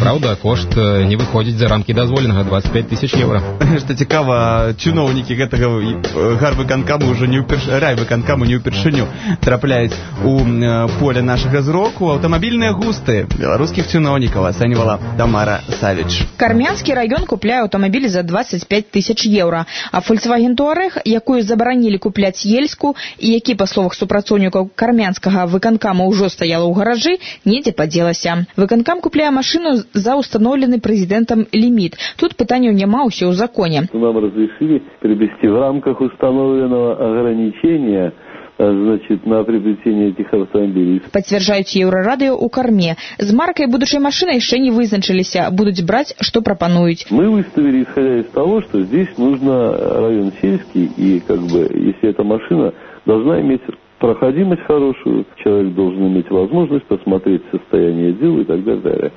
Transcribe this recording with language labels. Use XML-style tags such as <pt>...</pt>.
<be>Праўда, кошт не выходзіць за рамкі дазволенага 25 тысяч еўра. Што цікава, чыноўнікі гэтага гарвыканкаму ўжо не ў першы канкаму не ўпершыню трапляюць у поле нашага зроку. Аўтамабільныя густы беларускіх чыноўнікаў ацэньвала Тамара Савіч. Кармянскі раён купляе аўтамабілі за 25 тысяч еўра, а Volkswagen Touareg, якую забаранілі купляць Ельску і які, па словах супрацоўнікаў кармянскага выканкама, ўжо стаяла ў гаражы, недзе падзелася. Выканкам купляе машыну за ўстаноўлены прэзідэнтам ліміт. Тут пытанняў няма, ўсё ў законе.</be> <ru>Нам</ru> <be>разрешілі перавесці</be> <ru>в рамках установленного ограничения. Значит, на приобретение этих автомобилей. Подтверждают Еврорадио у Карме. С маркой будущей машины еще не</ru> <be>вызначились,</be> <ru>а будут брать, что пропонуют. Мы выставили, исходя из того, что здесь нужно район сельский, и как бы, если эта машина должна иметь проходимость хорошую, человек должен иметь возможность посмотреть состояние дел и так далее.</ru>